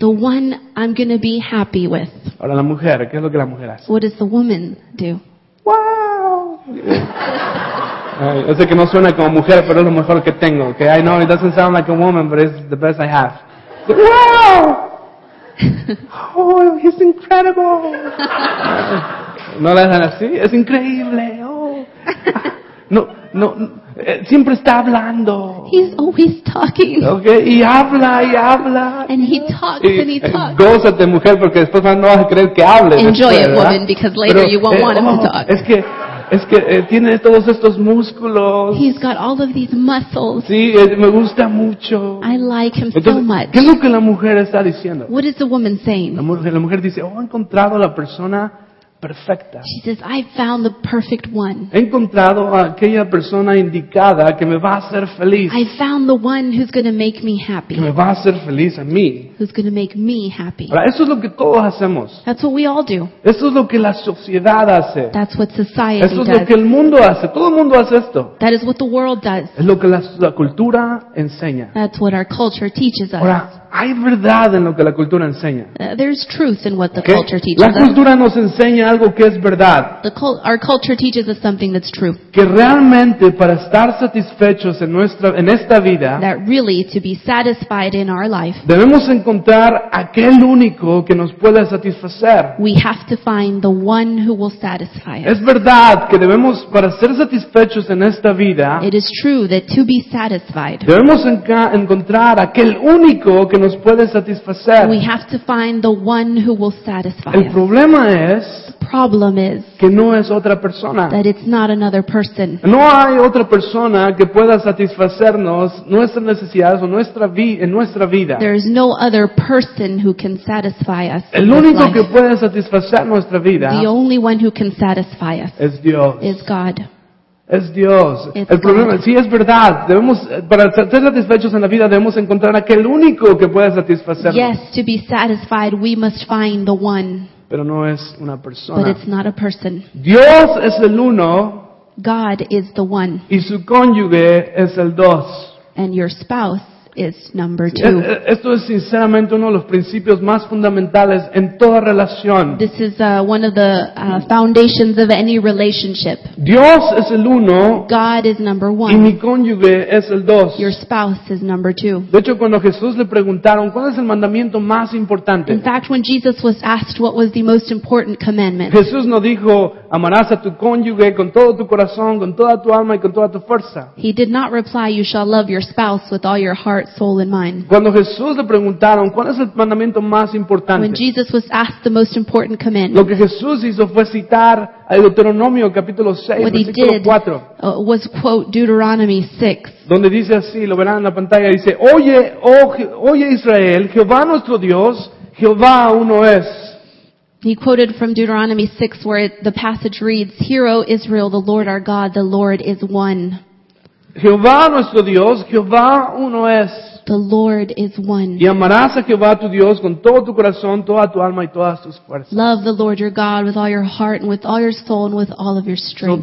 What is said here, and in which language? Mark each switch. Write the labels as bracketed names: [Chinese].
[English] The one I'm going to be happy with. [Spanish] Ahora la mujer, ¿qué es lo que la mujer hace? [English] What does the woman do? Wow. [Spanish] Yo sé que no suena como mujer, pero es lo mejor que tengo. [English] Okay, I know it doesn't sound like a woman, but it's the best I have. Wow. Oh, he's incredible. [Spanish] No la dejan así, es increíble. No, siempre está hablando. [English] He's always talking. [Spanish] Okay, y habla y habla. [English] And he talks [Spanish] y, [English] and he talks. [Spanish] Gózate, mujer, porque después no vas a creer que hable. [English] Enjoy [Spanish] después, [English] it, woman, because later [Spanish] pero, [English] you won't want him to talk. [Spanish] Es que tiene todos estos músculos. [English] He's got all of these muscles. [Spanish] Sí, me gusta mucho. [English] I like him [Spanish] entonces, [English] so much. [Spanish] ¿Qué es lo que la mujer está diciendo? [English] What is the woman saying? [Spanish] La mujer dice, oh, he encontrado la persona perfecta. [English] She says, I found the perfect one. [Spanish] He encontrado a aquella persona indicada que me va a hacer feliz. [English] I found the one who's going to make me happy. [Spanish] Que me va a hacer feliz a mí. [English] Who's going to make me happy. [Spanish] Ahora, eso es lo que todos hacemos. [English] That's what we all do. [Spanish] Eso es lo que la sociedad hace. [English] That's what society does. Eso [Spanish] es lo que el mundo hace. Todo el mundo hace esto. [English] That is what the world does. [Spanish] Es lo que la cultura enseña. [English] That's what our culture teaches us. [Spanish] Ahora, hay verdad en lo que la cultura enseña. [English] There's truth in what the okay? culture teaches. [Spanish] La cultura nos enseña algo que es verdad. [English] Our culture teaches us something that's true. [Spanish] Que realmente para estar satisfechos en esta vida. [English] That really to be satisfied in our life. [Spanish] Debemos encontrar aquel único que nos pueda satisfacer. [English] We have to find the one who will satisfy us. [Spanish] Es verdad que debemos para ser satisfechos en esta vida. [English] It is true that to be satisfied. [Spanish] Debemos encontrar aquel único que nos puede satisfacer. [English] We have to find the one who will satisfy us. [Spanish] El problema es [English] problem is [Spanish] que no es otra persona. [English] That it's not another person. [Spanish] No hay otra persona que pueda satisfacernos nuestras necesidades o nuestra vida. [English] There is no other person who can satisfy us. [Spanish] El único que puede satisfacer nuestra vida [English] the only one who can satisfy us [Spanish] es Dios. [English] Is God. [Spanish] Es Dios. [English] It's [Spanish] el problema, sí es verdad. Debemos para ser satisfechos en la vida debemos encontrar aquel único que pueda satisfacernos. [English] Yes, to be satisfied we must find the one. [Spanish] Pero no es una persona. [English] But it's not a person. [Spanish] Dios es el uno. [English] God is the one. [Spanish] Y su cónyuge es el dos. [English] And your spouse is number two. [Spanish] Esto es sinceramente uno de los principios más fundamentales en toda relación. [English] This is one of the foundations of any relationship. [Spanish] Dios es el uno. [English] God is number one. [Spanish] Y mi cónyuge es el dos. [English] Your spouse is number two. [Spanish] De hecho, cuando Jesús le preguntaron cuál es el mandamiento más importante. [English] In fact, when Jesus was asked what was the most important commandment. [Spanish] Jesús no dijo amarás a tu cónyuge con todo tu corazón, con toda tu alma y con toda tu fuerza. [English] He did not reply you shall love your spouse with all your heart heart, soul, and mind. [Spanish] Cuando Jesús le preguntaron, ¿cuál es el mandamiento más importante? [English] When Jesus was asked the most important commandment. [Spanish] Lo que Jesús hizo fue citar a Deuteronomio capítulo 6, [English] what [Spanish] versículo 4. [English] Was quote Deuteronomy 6. [Spanish] Donde dice así, lo verán en la pantalla, dice, "Oye, oye Israel, Jehová nuestro Dios, Jehová uno es." [English] He quoted from Deuteronomy 6 where the passage reads, "Hear, O Israel, the Lord our God, the Lord is one." [Spanish] Jehová nuestro Dios, Jehová uno es. [English] The Lord is one. [Spanish] Y amarás a Jehová tu Dios con todo tu corazón, toda tu alma y todas tus fuerzas. [English] Love the Lord your God with all your heart and with all your soul and with all of your strength.